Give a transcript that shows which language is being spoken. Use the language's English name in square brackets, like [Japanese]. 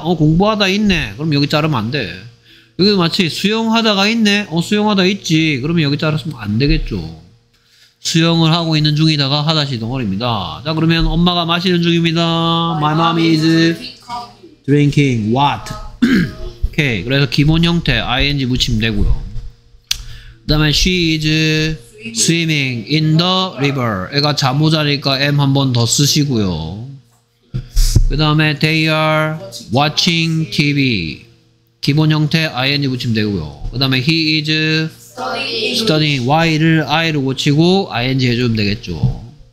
[Korean] 공부하다 있네. 그럼 여기 자르면 안 돼. 여기도 마치 수영하다가 있네. 수영하다 있지. 그러면 여기 자르면 안 되겠죠. 수영을 하고 있는 중이다가 하다시 덩어리입니다. 자, 그러면 엄마가 마시는 중입니다. [English] My mom is drinking what? [Korean] 오케이. 그래서 기본 형태 ing 붙이면 되고요. 그 다음에 [English] she is swimming in the river. [Korean] 애가 잠오자니까 M 한 번 더 쓰시고요. 그 다음에 [English] they are watching TV. [Korean] 기본 형태 ing 붙이면 되고요. 그 다음에 [English] he is studying. [Korean] Y를 I로 고치고 ING 해주면 되겠죠.